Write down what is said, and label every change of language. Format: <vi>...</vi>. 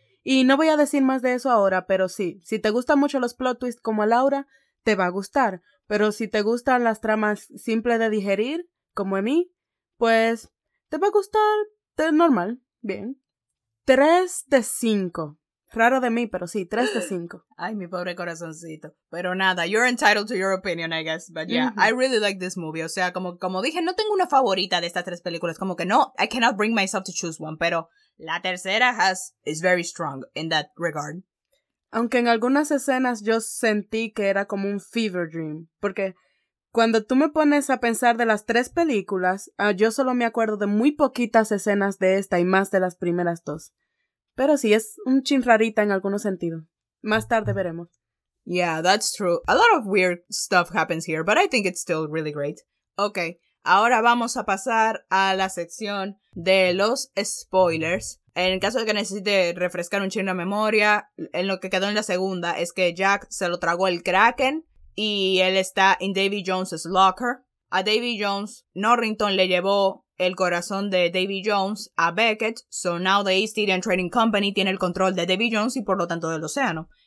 <es>Y no voy a decir más de eso ahora, pero sí, si te gustan mucho los plot twists como a Laura, te va a gustar, pero si te gustan las tramas simples de digerir, como a mí, pues te va a gustar normal, bien. 3 de 5. Raro de mí, pero sí, 3 de 5. Ay, mi pobre corazoncito. Pero nada,</es> <en>you're entitled to your opinion, I guess. But yeah, mm-hmm. I really like this movie.</en> <es>O sea, como dije, no tengo una favorita de estas tres películas. Como que no,</es> <en>I cannot bring myself to choose one.</en> <es>Pero la tercera</es> <en>is very strong in that regard.</en> <es>Aunque en algunas escenas yo sentí que era como un fever dream. Porque cuando tú me pones a pensar de las tres películas, yo solo me acuerdo de muy poquitas escenas de esta y más de las primeras dos. Pero sí, es un chin rarita en algunos sentidos. Más tarde veremos.</es> <en>Yeah, that's true. A lot of weird stuff happens here, but I think it's still really great.</en> <es>Okay, ahora vamos a pasar a la sección de los spoilers. En caso de que necesite refrescar un chin la memoria, en lo que quedó en la segunda es que Jack se lo tragó el Kraken y él está en Davy Jones's locker. A Davy Jones, Norrington le llevó el corazón de Davy Jones a Beckett,</es> <en>so now the East Indian Trading Company</en> <es>tiene el control de Davy Jones y por lo tanto del océano.</es>